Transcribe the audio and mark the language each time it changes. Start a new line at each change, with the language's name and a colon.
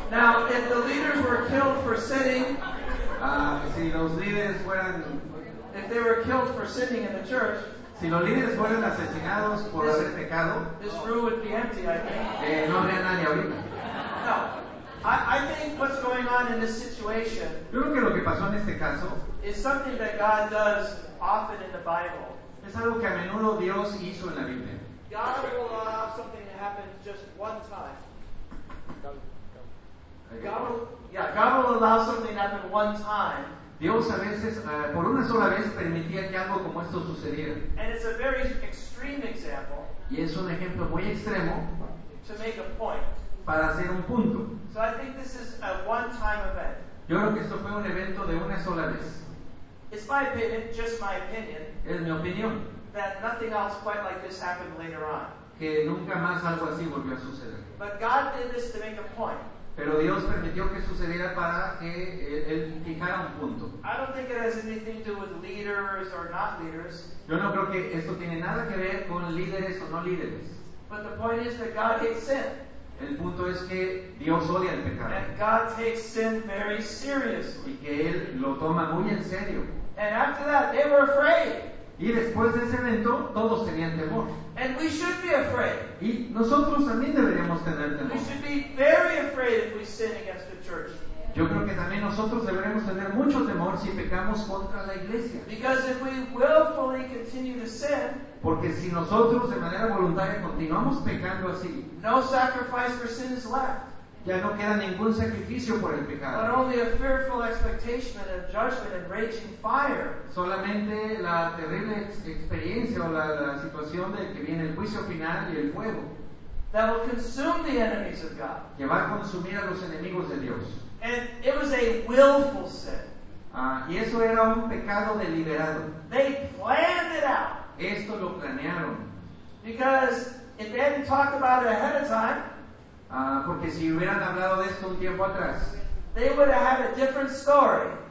English: Now, if the leaders were killed for sinning.
Spanish: Si los líderes fueran,
English: if they were killed for sinning in the church,
Spanish: si los líderes fueran asesinados por haber pecado,
English: this room would be empty, I think.
Spanish: No habría nadie ahorita.
English: No, I think what's going on in this situation.
Spanish: Yo creo que lo que pasó en este caso
English: is something that God does often in the Bible.
Spanish: Es algo que a menudo Dios hizo en la Biblia.
English: God will allow something to happen just one time. God will allow something to happen one time.
Spanish: Dios a veces, por una sola vez, permitía que algo como esto sucediera.
English: And it's a very extreme example.
Spanish: Y es un ejemplo muy extremo.
English: To make a point.
Spanish: Para hacer un punto.
English: So I think this is a one-time event.
Spanish: Yo creo que esto fue un evento de una sola vez.
English: It's my opinion, just my opinion.
Spanish: Es mi opinión.
English: That nothing else quite like this happened later on.
Spanish: Que nunca más algo así volvió a suceder.
English: But God did this to make a point.
Spanish: Pero Dios permitió que sucediera para que él fijara un punto.
English: I don't think it has anything to do with leaders or not leaders.
Spanish: Yo no creo que esto tiene nada que ver con líderes o no líderes.
English: But the point is that God hates sin.
Spanish: El punto es que Dios odia el pecado.
English: And God takes sin very seriously.
Spanish: Y que Él lo toma muy en serio.
English: And after that, they were afraid.
Spanish: Y después de ese evento, todos tenían temor.
English: And we should be afraid.
Spanish: Y nosotros también deberíamos tener temor.
English: We should be very afraid if we sin against the church.
Spanish: Yo creo que también nosotros deberemos tener mucho temor si pecamos contra la iglesia.
English: Because if we willfully continue to sin,
Spanish: porque si nosotros de manera voluntaria continuamos pecando así,
English: no sacrifice for sin is left.
Spanish: Ya no queda ningún sacrificio por el pecado.
English: But only a fearful expectation and a judgment and raging fire.
Spanish: Solamente la terrible experiencia o la situación de que viene el juicio final y el fuego.
English: That will consume the enemies of God.
Spanish: Que va a consumir a los enemigos de Dios.
English: And it was a willful sin.
Spanish: Y eso era un pecado deliberado.
English: They planned it out.
Spanish: Esto lo planearon.
English: Because if they hadn't talked about it ahead of time,
Spanish: porque si hubieran hablado de esto un tiempo atrás,
English: they would have had a different story.